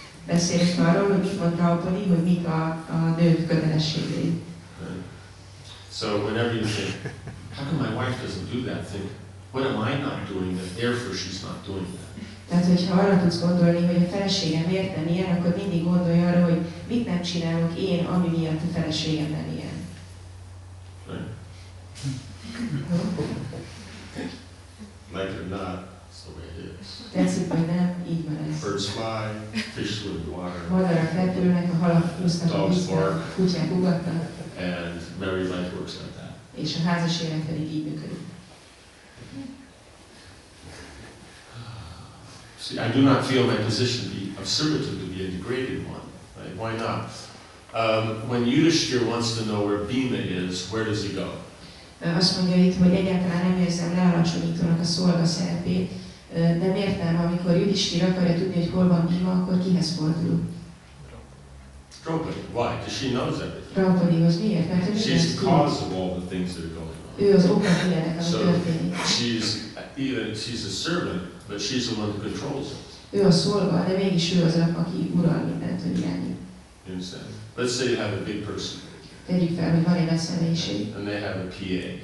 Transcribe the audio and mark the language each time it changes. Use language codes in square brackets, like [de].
[hu] Beszélünk arról, hogy mit mond Draupadi, hogy mik a nők kötelességei. [en] So whenever you think, how come my wife doesn't do that thing? What am I not doing that therefore she's not doing that? [hu] Tehát, hogyha arra tudsz gondolni, hogy a feleségem miért nem ilyen, akkor mindig gondolj arra, hogy mit nem csinálok én, ami miatt a feleségem nem ilyen. [en] Like or not, it's the way it is. [hu] Tetszik, hogy nem, így van ez. [en] Birds fly, fish live in water. [hu] Madarak repülnek, a halak úsznak a vízben, kutyák ugatnak. [en] And married life works like that. [hu] És a házas élet pedig így működik. [en] See, I do not feel my position to be of servitude to be a degraded one. Right? Why not? When Yudhishthira wants to know where Bhima is, where does he go? [hu] Azt mondja itt, hogy egyáltalán nem érzem lealacsonyítónak a szolga szerepét, de miért nem, amikor Yudhishthira akarja tudni, hogy hol van Bhima, akkor kihez fordul? [en] Draupadi. Why? Because she knows everything. [hu] Draupadihoz miért? Mert ő [en] she's the cause of all the things that are going on. [hu] Ő az oka mindennek, ami történik. [en] She's a servant. But she's the one who controls it. [hu] Ő a szolga, de mégis ő az, aki ural mindent, hogy irányít. [en] Let's say you have a big person. [hu] Tegyük fel, hogy van egy nagy személyiség. [en] And they have a PA.